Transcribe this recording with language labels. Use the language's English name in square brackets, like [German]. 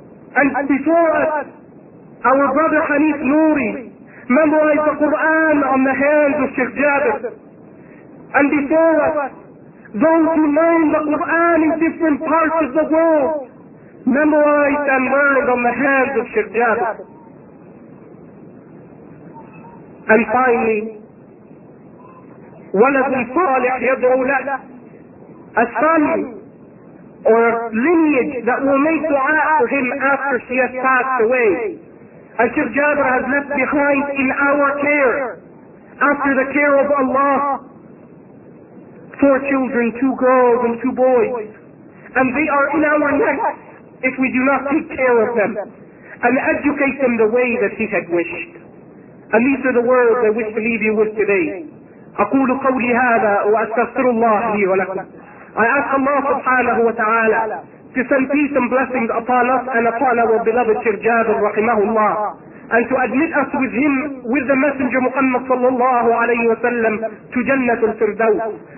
[English] And before us, our brother Hanif Nouri memorized the Quran on the hands of Sheikh Jaber. And before us, those who learned the Quran in different parts of the world memorized and learned on the hands of Sheikh Jaber. And finally, [Arabic] ولد الصالح يدعو له. [English] A son or lineage that will make dua for him after she has passed away. And Sheikh Jaber has left behind in our care, after the care of Allah, 4 children, 2 girls and 2 boys. And they are in our necks if we do not take care of them and educate them the way that he had wished. And these are the words I wish to leave you with today. [Arabic] أقول قولي هذا وأستغفر الله لي ولكم. [English] I ask Allah subhanahu wa ta'ala to send peace and blessings upon us and upon our beloved Sheikh Jaber rahimahullah, and to admit us with him, with the Messenger Muhammad sallallahu alayhi wa sallam, to Jannatul Firdaus.